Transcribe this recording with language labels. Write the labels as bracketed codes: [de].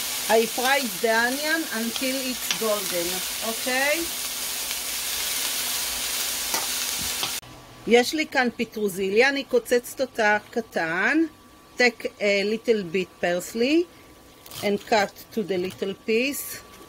[en] I fry the onion until it's golden, okay? [he] יש לי כאן פטרוזיליה, אני קוצצת אותה קטן. [en] Take a little bit parsley and cut to the little piece.